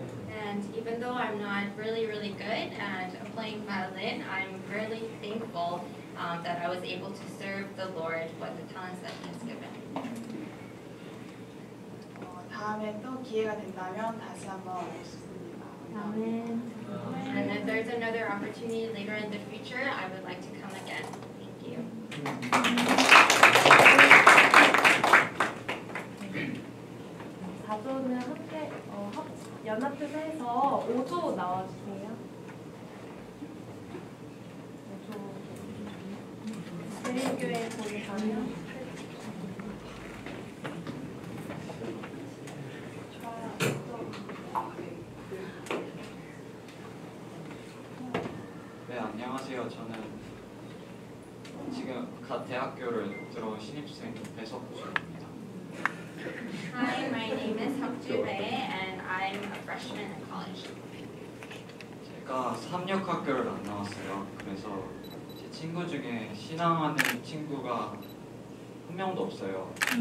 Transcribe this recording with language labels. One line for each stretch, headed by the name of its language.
English: And even though I'm not really really good at playing violin, I'm really thankful that I was able to serve the Lord with the talents that He has given.
Korean: 다음에 또 기회가 된다면 다시 한번 오고 싶습니다.
English: 아멘. And if there's another opportunity later in the future, I would like to come again. Thank you.
Korean: 4조는 학회 연합회에서 5조 나와주세요. 5조. 대림교회 거기 가면. 안녕하세요. 저는 지금 갓 대학교를 들어온 신입생 배석주입니다.
English: Hi, my name is 석주배 and I'm a freshman at college.
Korean: 제가 삼역학교를 안 나왔어요. 그래서 제 친구 중에 신앙하는 친구가 한 명도 없어요.